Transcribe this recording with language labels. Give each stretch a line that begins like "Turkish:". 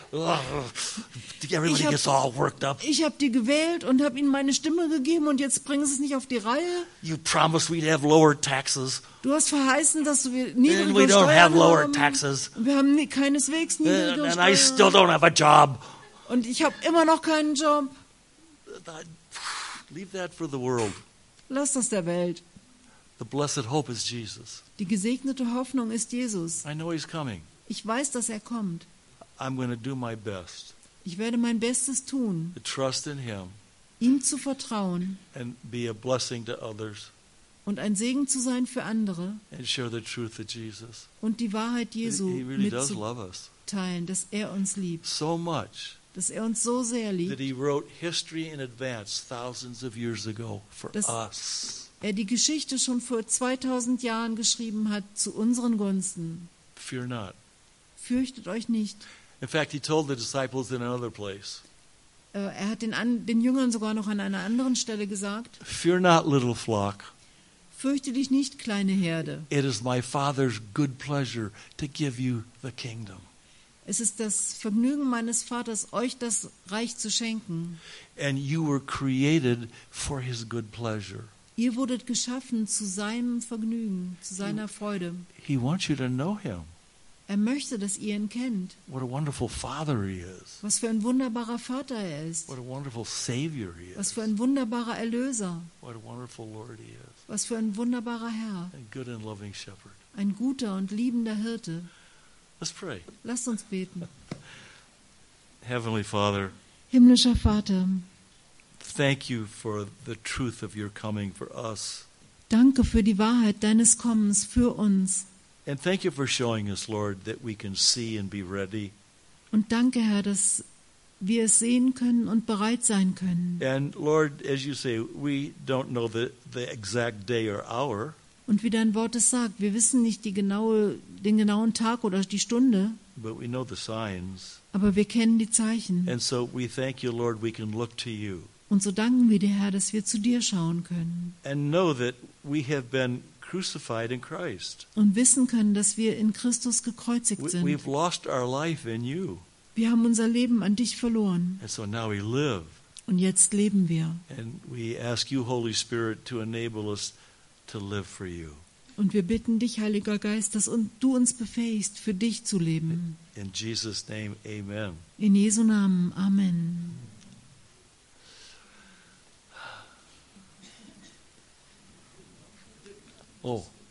English: Everybody gets all worked up.
German: Ich habe die gewählt und habe ihnen meine Stimme gegeben und jetzt bringen sie es nicht auf die Reihe.
English: You promised we'd have lower taxes.
German: Du hast verheißen, dass wir niedrigere Steuern haben.
English: We don't have lower taxes.
German: Wir haben keineswegs niedrigere Steuern.
English: And I still don't have a job.
German: Und ich habe immer noch keinen Job.
English: Leave that for the world.
German: Lass das der Welt.
English: The blessed hope is Jesus.
German: Die gesegnete Hoffnung ist Jesus.
English: I know he's coming.
German: Ich weiß, dass er kommt.
English: I'm gonna do my best.
German: Ich werde mein Bestes tun.
English: To trust in him.
German: Ihm zu vertrauen.
English: And be a blessing to others.
German: Und ein Segen zu sein für andere.
English: And share the truth of Jesus.
German: Und die Wahrheit Jesu
English: he really does love us.
German: Teilen, dass er uns liebt.
English: So much.
German: Dass er uns so sehr liebt.
English: That he wrote history in advance thousands of years ago for us.
German: Er die Geschichte schon vor 2000 Jahren geschrieben hat zu unseren Gunsten.
English: Fear not.
German: Fürchtet euch nicht.
English: In fact, he told the disciples in another place.
German: Er hat den Jüngern sogar noch an einer anderen Stelle gesagt.
English: Fear not, little flock.
German: Fürchte dich nicht, kleine Herde.
English: It is my Father's good pleasure to give you the kingdom.
German: Es ist das Vergnügen meines Vaters, euch das Reich zu schenken.
English: And you were created for his good pleasure.
German: Ihr wurdet geschaffen zu seinem Vergnügen, zu seiner Freude.
English: He wants you to know him.
German: Er möchte, dass ihr ihn kennt.
English: What a wonderful father he is.
German: Was für ein wunderbarer Vater er ist.
English: What a wonderful savior he is.
German: Was für ein wunderbarer Erlöser.
English: What a wonderful Lord he is.
German: Was für ein wunderbarer Herr.
English: A good and loving shepherd.
German: Ein guter und liebender Hirte.
English: Let's pray.
German: Lasst uns beten.
English: Heavenly Father.
German: Himmlischer Vater.
English: Thank you for the truth of your coming for us.
German: Danke für die Wahrheit deines Kommens für uns.
English: And thank you for showing us, Lord, that we can see and be ready.
German: Und danke, Herr, dass wir es sehen können und bereit sein können.
English: And Lord, as you say, we don't know the exact day or hour.
German: Und wie dein Wort es sagt, wir wissen nicht den genauen Tag oder die Stunde.
English: But we know the signs.
German: Aber wir kennen die Zeichen.
English: And so we thank you, Lord, we can look to you.
German: Und so danken wir dir, Herr, dass wir zu dir schauen können.
English: And know that we have been crucified in Christ.
German: Und wissen können, dass wir in Christus gekreuzigt sind.
English: We've lost our life in you.
German: Wir haben unser Leben an dich verloren.
English: And so now we live.
German: Und jetzt leben wir.
English: And we ask you, Holy Spirit, to enable us to live for you.
German: Und wir bitten dich, Heiliger Geist, dass du uns befähigst, für dich zu leben.
English: In Jesus' name, amen.
German: In Jesu Namen, Amen. Oh.